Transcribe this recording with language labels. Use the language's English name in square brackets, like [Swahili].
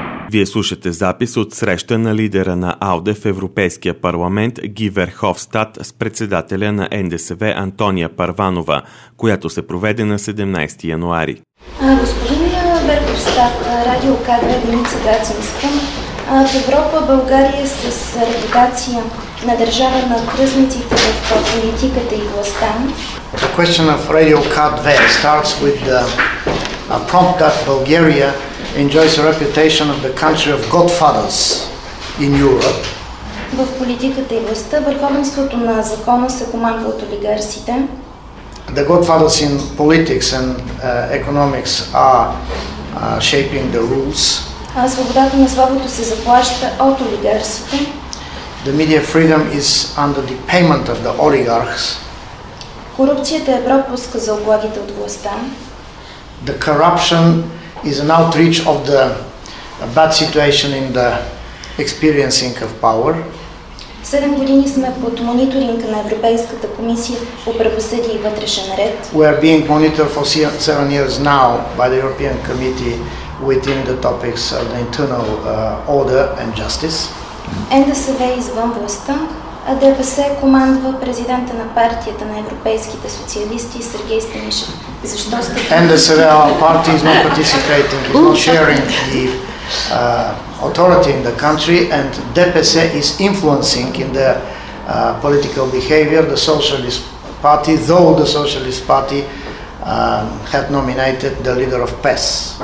[Bulgarian] Вие слушате запис от среща на лидера на АЛДЕ в Европейския парламент Ги Верховстад с председателя на НДСВ Антония Първанова, която се проведе на 17 януари. Господин Верховстад, радио кадра Деница Грацинска. В Европа България с репутация на държава на кръзниците в политиката и властта. [English] The question of Radio Cadve starts with a prompt that Bulgaria enjoys a reputation of the country of godfathers in Europe. [Bulgarian] В политиката и властта върховенството на закона се командва от олигарсите. [English] The godfathers in politics and economics are shaping the rules. [Bulgarian] А свободата на словото се заплаща от олигарсите. [English] The media freedom is under the payment of the oligarchs. [Bulgarian] Корупцията е пропуск за облагите от властта. [English] The corruption is an outreach of the bad situation in the experiencing of power. [Bulgarian] 7 години сме под мониторинг на Европейската комисия по правосъдие и вътрешен ред. [English] We are being monitored for 7 years now by the European Committee within the topics of the internal order and justice. [Bulgarian] НДСВ извън властта. А ДПС командва президента на партията на европейските социалисти Сергей Станишев. Защо сте? [English] НДСВ party is not participating, is not sharing the authority in the country, and ДПС is influencing in the political behavior the socialist party, though the socialist party had nominated the leader of ПЕС.